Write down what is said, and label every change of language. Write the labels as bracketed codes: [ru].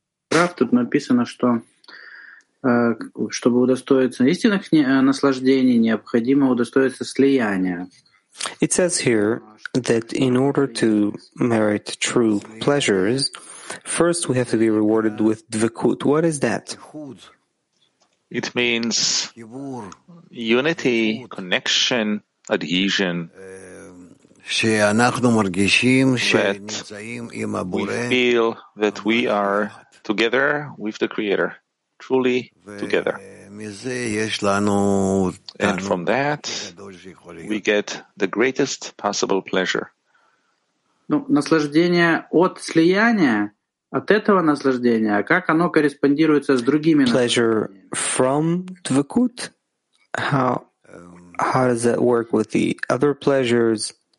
[ru] Рав, тут написано, что чтобы удостоиться истинных наслаждений, необходимо удостоиться слияния. [en] It says here that in order to merit true pleasures, first we have to be rewarded with dvikut. What is that? It means unity, connection, adhesion, that we feel that we are together with the Creator, truly together. And from that, we get the greatest possible pleasure. [ru] Ну, наслаждение от слияния, от этого наслаждения, как оно корреспондируется с другими наслаждениями? [en] Pleasure from Dvikut? How does that work with the other pleasures?